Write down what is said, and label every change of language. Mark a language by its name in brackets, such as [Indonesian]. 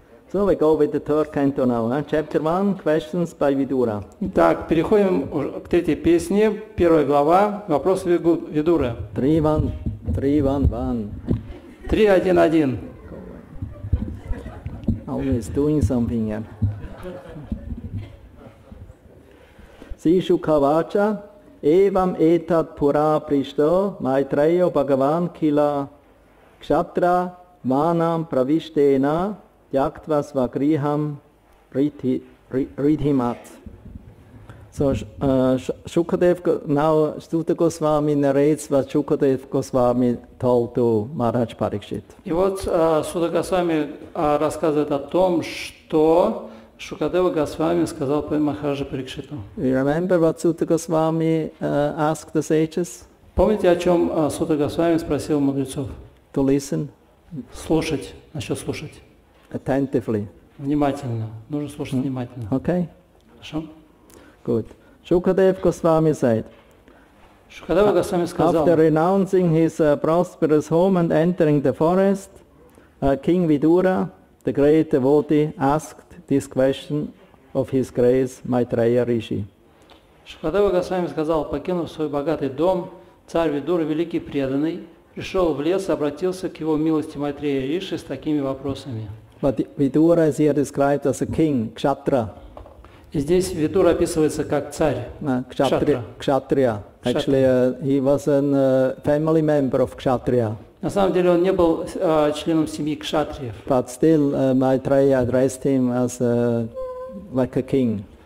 [English] So we go with the third canto now, chapter 1, questions by Vidura. [Russian] Так, переходим к третьей песне, первая глава, вопрос Видуры. [English] 3-1-1. Always doing something here. [Sanskrit] Sishu Kavacha, evam etat pura prishto, maitreyo bhagavan kila kshatra manam pravishtena, Yaktvas vagriham ridhimat. [English] So Shukadev, now Sutta Goswami narrates what Shukadev Goswami told to Maharaj Parikshit. [Russian] И вот Sutta Goswami рассказывает о том, что Шукадева Госвами сказал по Махараджа Парикшиту. [English] You remember what Sutta Goswami asked the sages? [Russian] Помните, о чем Sutta Goswami спросил мудрецов? [English] To listen. [Russian] Слушать, насчет слушать. [English] Attentively. [Russian] Внимательно. Нужно слушать внимательно. [English] Okay. [Russian] Хорошо. [English] Good. Shukadev Goswami said. [Russian] Shukadeva Goswami сказал. [English] After renouncing his prosperous home and entering the forest, King Vidura, the great devotee, asked this question of his grace Maitreya Rishi. [Russian] Shukadeva Goswami сказал, покинув свой богатый дом, царь Видура, великий преданный, пришел в лес и обратился к его милости Майтрея Риши с такими вопросами. [English] But Vidura is here described as a king, kshatra. [Russian] И здесь Vidura описывается как царь. [English] Кшатрия. Actually, he was a family member of kshatriya. [Russian] На самом деле он не был членом семьи кшатриев. [English] But still, Maitreya addressed him as like a king.